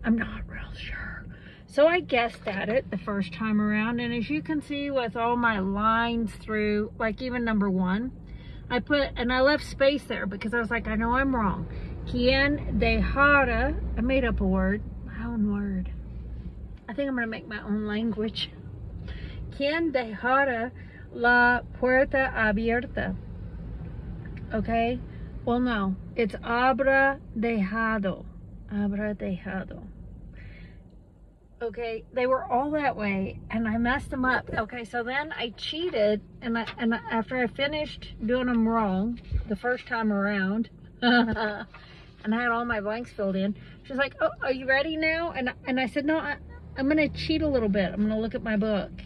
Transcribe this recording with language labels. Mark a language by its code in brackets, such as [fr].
[en] I'm not real sure. So I guessed at it the first time around, and as you can see with all my lines through, like even number one, I put, and I left space there because I was like, I know I'm wrong. [es] Quien dejara, [en] I made up a word, my own word. I think I'm gonna make my own language. [es] Quien dejara la puerta abierta? [en] Okay, well no, it's [es] habrá dejado, habrá dejado. [en] Okay, they were all that way and I messed them up. Okay, so then I cheated and after I finished doing them wrong the first time around, and I had all my blanks filled in, she's like, oh, are you ready now? And I said, no, I'm gonna cheat a little bit. I'm gonna look at my book.